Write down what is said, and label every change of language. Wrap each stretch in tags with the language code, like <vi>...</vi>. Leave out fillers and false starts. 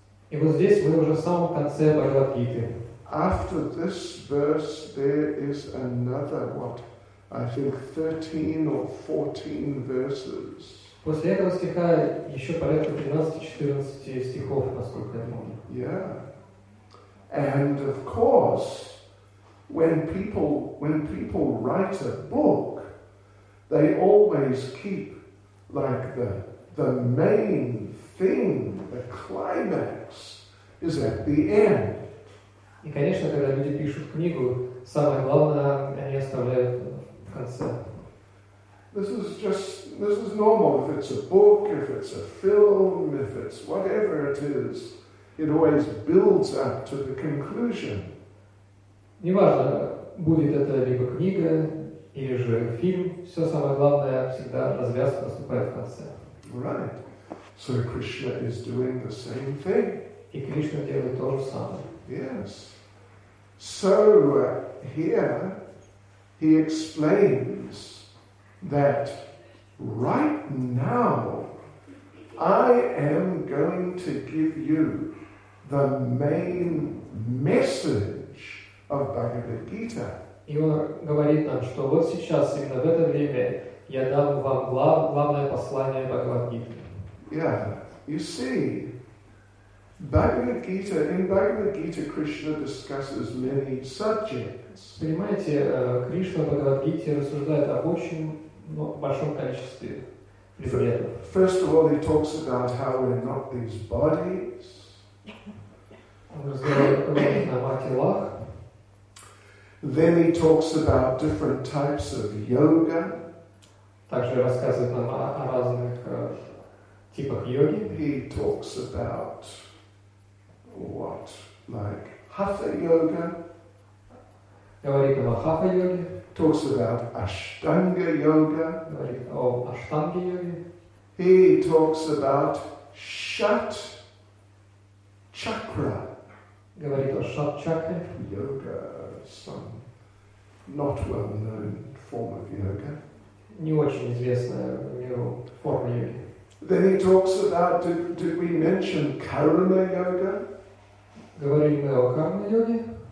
<en>It was this we were some concept of Bhagavad Gita. After this verse, there is another, what, I think 13 or 14 verses.</en> <ru>После этого стиха еще порядка 13-14 стихов, насколько я помню.</ru> <en>Yeah. And of course, when people write a book, they always keep like the main thing, the climax, is at the end.</en> <ru>И, конечно, когда люди пишут книгу, самое главное, они оставляют в конце.</ru> <en>This is normal. If it's a book, if it's a film, if it's whatever it is, it always builds up to the conclusion.</en> <ru>Неважно, будет это либо книга, или же фильм, все самое главное, всегда развязка наступает в конце.</ru> <en>Right. So Krishna is doing the same thing.</en> <ru>И Кришна делает то же самое.</ru> <en>Yes. So here he explains that right now I am going to give you the main message of Bhagavad Gita.</en> <ru>И он говорит нам, что вот сейчас, именно в это время, я дам вам главное послание Бхагавад Гиты.</ru> <en>Yeah, you see. In Bhagavad Gita, Krishna discusses many subjects.</en> <ru>Понимаете, Кришна в Бхагавад-гите рассуждает об очень большом количестве предметов.</ru> <en>First of all, he talks about how we're not these bodies.</en> <ru>Он разговаривает о телах.</ru> <en>Then he talks about different types of yoga.</en> <ru>Также рассказывает нам о разных типах йоги.</ru> <en>He talks about what, like Hatha Yoga?</en> <ru>Говорит о Hatha Yoga.</ru> <en>Talks about Ashtanga Yoga.</en> <ru>Говорит о Ashtanga Yoga.</ru> <en>He talks about Shat Chakra.</en> <ru>Говорит о Shat Chakra.</ru> <en>Yoga, some not well known form of yoga.</en> <ru>Не очень известная миру форма йоги.</ru> <en>Then he talks about, did we mention Karma Yoga?</en> <ru>Говорили мы о карма-йоге?</ru>